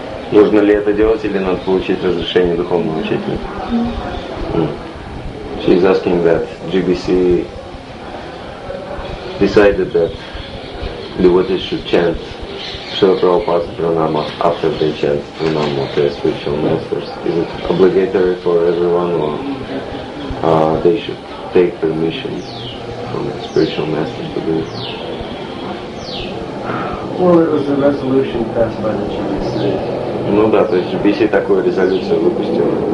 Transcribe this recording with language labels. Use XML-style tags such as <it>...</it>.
<ru>Нужно ли это делать или надо получить разрешение духовного учителя?</ru> <en>She's asking that GBC decided that devotees should chant Srila Prabhupada's pranama after they chant pranama to their spiritual masters. Is it obligatory for everyone or they should take permission from the spiritual masters to do it? Well, it was a resolution passed by the GBC.</en> <ru>Ну да, то есть GBC такую резолюцию выпустила.</ru>